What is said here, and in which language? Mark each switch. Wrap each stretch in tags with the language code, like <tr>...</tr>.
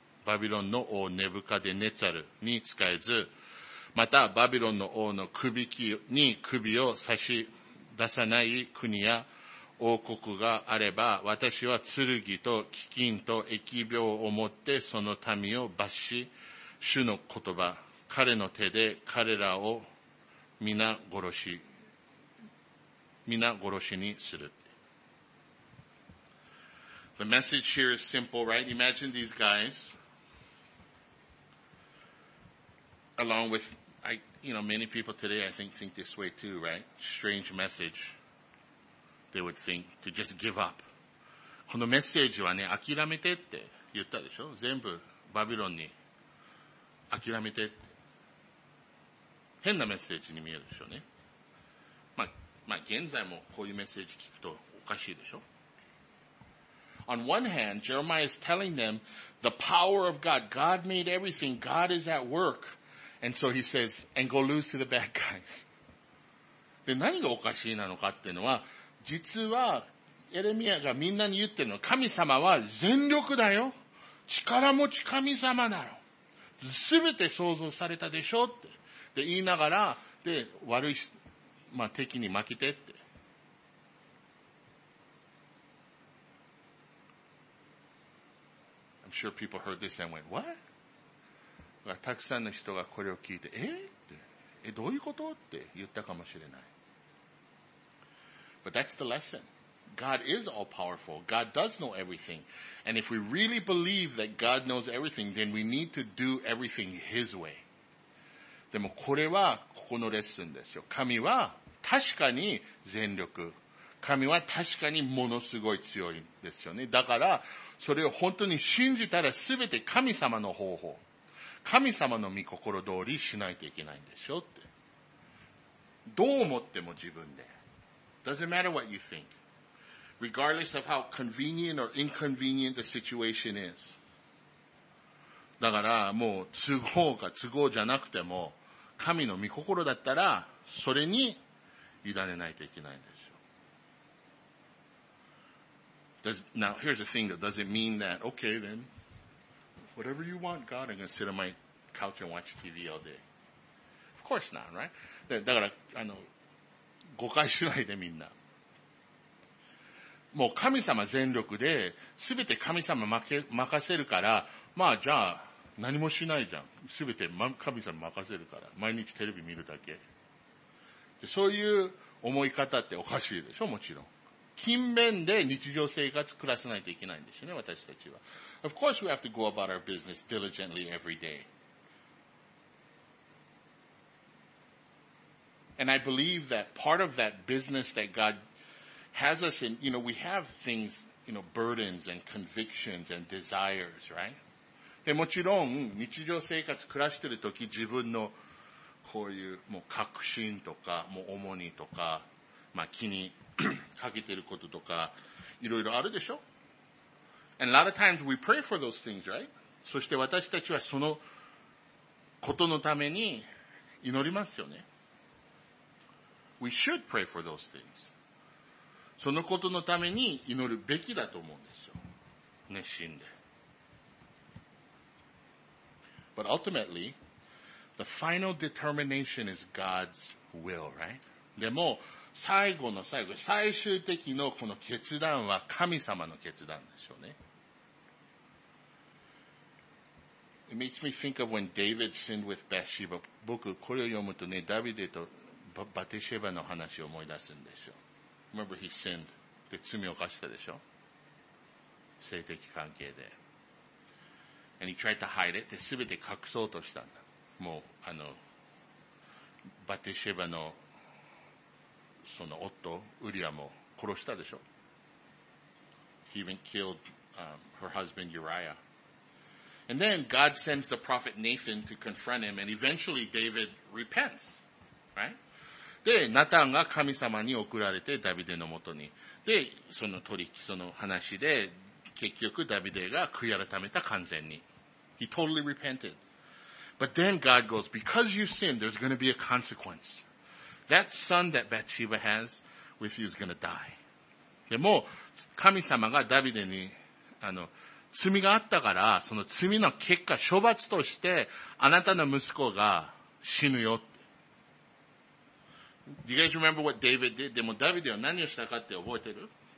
<ja>バビロンの王ネブカデネツァルに仕えず、またバビロンの王の首に首を差し出さない国や王国があれば、私は剣と飢饉と疫病をもってその民を罰し、主の言葉、彼の手で彼らを皆殺しにする。</ja> <en>The message here is simple, right? Imagine these guys, along with, many people today, I think this way too, right? Strange message, they would think, to just give up.</en> <ja>このメッセージはね、諦めてって言ったでしょ？全部バビロンに諦めてって。変なメッセージに見えるでしょうね。まあ、現在もこういうメッセージ聞くとおかしいでしょ。</ja> <en>On one hand, Jeremiah is telling them the power of God. God made everything. God is at work. And so he says, and go lose to the bad guys.</en> <ja>で、何がおかしいなのかっていうのは、実はエレミアがみんなに言ってるのは、神様は全力だよ。力持ち神様なの。すべて創造されたでしょって。で、言いながら、で、悪い、まあ、敵に負けてって。</ja> <en>I'm sure people heard this and went, what?</en> <ja>たくさんの人がこれを聞いて、え、どういうことって言ったかもしれない。</ja> <en>But that's the lesson. God is all powerful. God does know everything. And if we really believe that God knows everything, then we need to do everything His way.</en> <ja>でもこれはここのレッスンですよ。神は確かに全力。神は確かにものすごい強いんですよね。だからそれを本当に信じたらすべて神様の方法。神様の御心通りしないといけないんでしょって。どう思っても自分で。</ja> <en>Doesn't matter what you think. Regardless of how convenient or inconvenient the situation is.</en> <ja>だからもう都合か都合じゃなくても神の御心だったらそれに委ねないといけないんですよ。</ja> <en>Now, here's the thing that doesn't mean that, okay then, whatever you want, God, I'm going to sit on my couch and watch TV all day. Of course not, right?</en> <ja>だから、誤解しないでみんな。もう神様全力で、すべて神様任せるから、まあじゃあ、何もしないじゃん。すべて神様任せるから。毎日テレビ見るだけ。でそういう思い方っておかしいでしょ、もちろん。勤勉で日常生活暮らさないといけないんですよね、私たちは。</ja> <en>Of course we have to go about our business diligently every day. And I believe that part of that business that Godhas us in, you know, we have things, you know, burdens and convictions and desires, right?</en> <ja>で、もちろん、日常生活暮らしてるとき、自分の、こういうもう確信とか、もう重荷とか、まあ気にかけてることとか、いろいろあるでしょ。</ja> <en>And a lot of times we pray for those things, right?</en> <ja>そして私たちはそのことのために祈りますよね。</ja> <en>We should pray for those things.</en> <ja>そのことのために祈るべきだと思うんですよ。熱心で。</ja> <en>But ultimately, the final determination is God's will, right?</en> <ja>でも、最後の最後、最終的のこの決断は神様の決断ですよね。</ja> <en>It makes me think of when David sinned with Bathsheba.</en> <ja>僕、これを読むとね、ダビデとバテシェバの話を思い出すんですよ。</ja> <en>Remember, he sinned.</en> <ja>で、罪を犯したでしょ？性的関係で。</ja> <en>And he tried to hide it.</en> <ja>で、すべて隠そうとしたんだ。もう、バテシェバの、その夫、ウリアも殺したでしょ？</ja> <en>He even killed, her husband, Uriah. And then God sends the prophet Nathan to confront him, and eventually David repents, right?</en> <ja>で、ナタンが神様に送られて、ダビデのもとに。で、その取引、その話で、結局ダビデが悔い改めた完全に。</ja> <en>He totally repented. But then God goes, because you sinned, there's going to be a consequence. That son that Bathsheba has with you is going to die.</en> <ja>でも、神様がダビデに、罪があったから、その罪の結果、処罰として、あなたの息子が死ぬよって。</ja> <en>Do you guys remember what David did?</en> <ja>でもダビデは何をしたかって覚えてる？</ja>